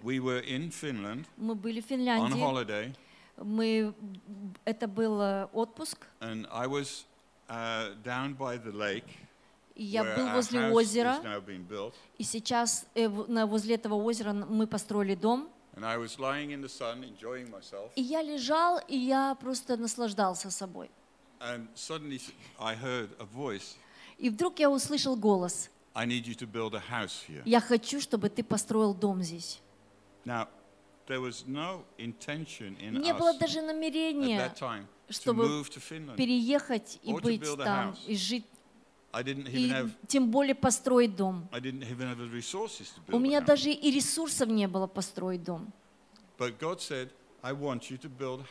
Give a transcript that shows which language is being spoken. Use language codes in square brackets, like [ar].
[en] We were in Finland. [ru] Мы были в Финляндии. [en] On holiday. [ru] Это был отпуск. [en] And I was down by the lake. [ru] Я был возле озера. И сейчас возле этого озера мы построили дом. [en] And I was lying in the sun, enjoying myself. [ru] И я лежал, и я просто наслаждался собой. [en] And suddenly I heard a voice. [ru] И вдруг я услышал голос. [en] I need you to build a house here. [ru] Я хочу, чтобы ты построил дом здесь. [en] Now, there was no intention in [ru] не было даже намерения, [en] at that time, [ru] чтобы [en] to move to Finland, [ru] переехать и [en] or [ru] быть [en] to build [ru] там, [en] a house. [ru] И жить, [en] I didn't even [ru] и [en] have, [ru] тем более построить дом. [en] I didn't even have the resources to build [ru] у меня [en] a house. [ru] Даже и ресурсов не было построить дом. [en] But God said, I want you to build a